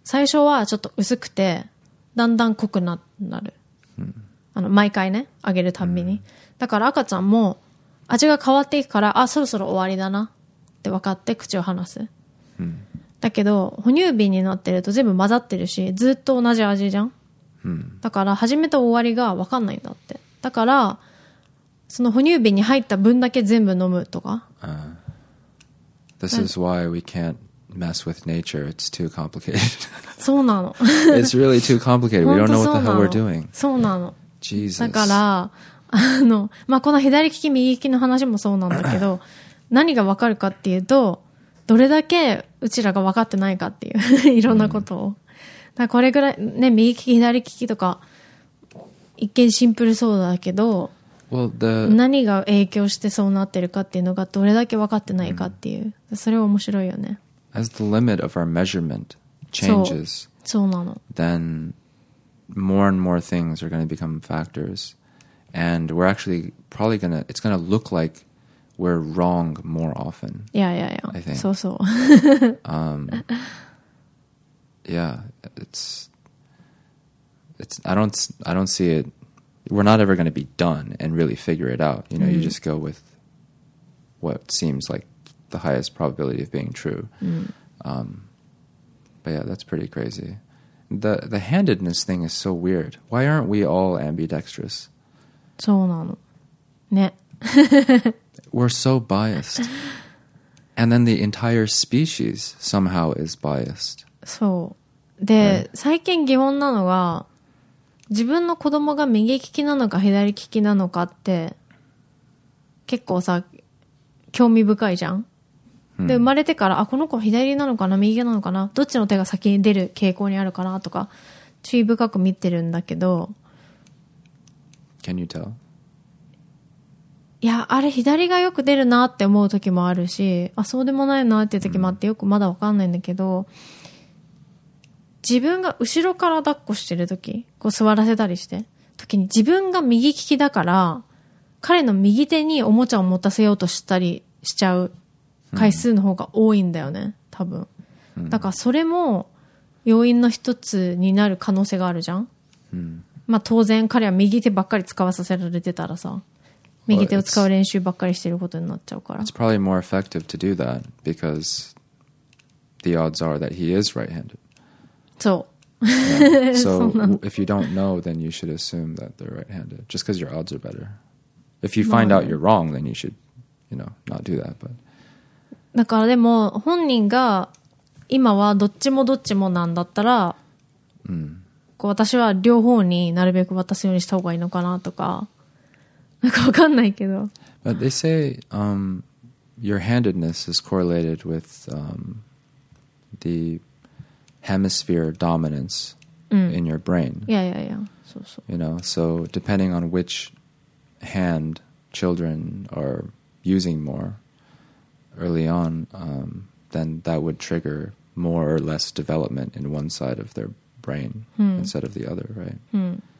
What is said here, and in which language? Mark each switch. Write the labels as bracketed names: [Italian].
[Japanese] 最初はちょっと薄くてだんだん濃くなる、あの毎回ねあげるたびに、だから赤ちゃんも味が変わっていくから、あそろそろ終わりだなって分かって口を離す、だけど哺乳瓶になってると全部混ざってるしずっと同じ味じゃん、だから始めた終わりが分かんないんだって。だからその哺乳瓶に入った分だけ全部飲むとか、 [English] This is why we can't mess with nature. It's too complicated. [Japanese] そうなの。 [English] It's really too complicated. We don't know what the hell we're doing. [Japanese] そうなの。 [English] Jesus. [Japanese] だからまあ、この左利き右利きの話もそうなんだけど、何が分かるかっていうと、どれだけうちらが分かってないかっていういろんなことを。だからこれぐらいね、右利き左利きとか一見シンプルそうだけど。 [English] Well, the, [Japanese] 何が影響してそうなってるかっていうのがどれだけ分かってないかっていう、それは面白いよね。 [English] As the limit of our measurement changes, [Japanese] そうなの。 [English] Then more and more things are going to become factors, and we're actually probably going to, it's going to look like we're wrong more often. Yeah, yeah, yeah. I think. [Japanese] そうそう。 [English] yeah, it's, I don't see itWe're not ever going to be done and really figure it out. You know, you just go with what seems like the highest probability of being true. But yeah, that's pretty crazy. The handedness thing is so weird. Why aren't we all ambidextrous? [Japanese] そうなの。ね。 [English] We're so biased. And then the entire species somehow is biased. [Japanese] そう。で、最近疑問なのが、自分の子供が右利きなのか左利きなのかって結構さ興味深いじゃん、で生まれてから、あこの子左なのかな右なのかな、どっちの手が先に出る傾向にあるかなとか注意深く見てるんだけど、 [English] Can you tell? [Japanese] いやあれ左がよく出るなって思う時もあるし、あそうでもないなっていう時もあって、よくまだ分かんないんだけど、自分が後ろから抱っこしてるとき、こう座らせたりして、ときに自分が右利きだから、彼の右手におもちゃを持たせようとしたりしちゃう回数の方が多いんだよね、多分。だからそれも要因の一つになる可能性があるじゃん。まあ当然彼は右手ばっかり使わさせられてたらさ、右手を使う練習ばっかりしてることになっちゃうから。 [English] It's probably more effective to do that because the odds are that he is right-handed. So, yeah. so if you don't know, then you should assume that they're right-handed, just because your odds are better. If you find out you're wrong, then you should, you know, not do that. But. [Japanese] だからでも本人が今はどっちもどっちもなんだったら、こう私は両方になるべく渡すようにした方がいいのかなとか、なんかわかんないけど。 [English] But they say, your handedness is correlated with, the... hemisphere dominance in your brain. Yeah, yeah, yeah. So, so. You know, so depending on which hand children are using more early on, then that would trigger more or less development in one side of their brain instead of the other, right?